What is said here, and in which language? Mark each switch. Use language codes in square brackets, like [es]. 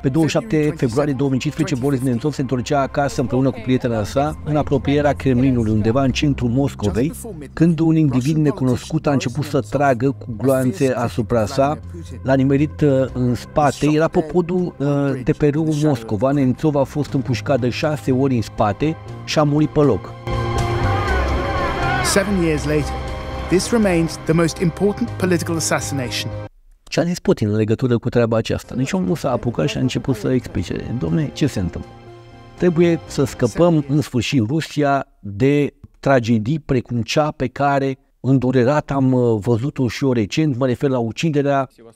[ro] Pe 27 februarie 2015, Boris Nemtsov se întorcea acasă împreună cu prietena sa în apropierea Kremlinului, undeva în centrul Moscovei, când un individ necunoscut a început să tragă cu gloanțe asupra sa. L-a nimerit în spate, era pe podul de pe râul Moscova. Nemtsov a fost împușcat de 6 ori în spate și a murit pe loc. [en] 7 years later, this remains the most important political assassination. [ro] Ce a zis Putin în legătură cu treaba aceasta? Nici omul nu s-a apucat și a început să explice: domne, ce se întâmplă? Trebuie să scăpăm în sfârșit Rusia de tragedii precum cea pe care îndurerat am văzut-o și eu recent, mă refer la uciderea.